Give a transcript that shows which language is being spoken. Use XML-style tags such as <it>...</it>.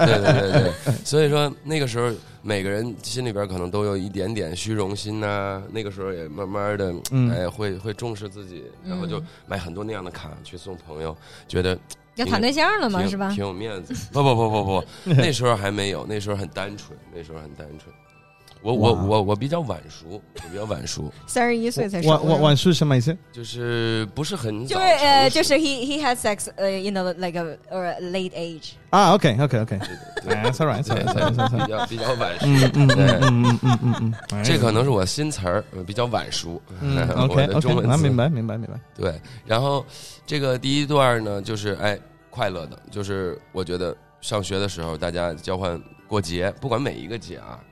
<zh>对对对对，所以说那个时候。每个人心里边可能都有一点点虚荣心呐、那个时候也慢慢的，哎，会重视自己，然后就买很多那样的卡去送朋友，觉得要谈对象了嘛，是吧？挺有面子。不不不不不，那时候还没有，那时候很单纯，那时候很单纯。我比较晚熟，我比较晚熟， 31岁才熟。晚熟什么意思？就是不是很早，就是</zh> <en>he had sex in the like a late age。啊 ，OK OK OK， 哎 ，sorry sorry sorry，</en> <zh>比较晚熟，这可能是我新词儿，比较晚熟。</zh> <en>OK OK，</en> <zh>那明白。对，然后这个第一段呢，就是哎，快乐的，就是我觉得上学的时候大家交换过节，不管每一个节啊。</zh>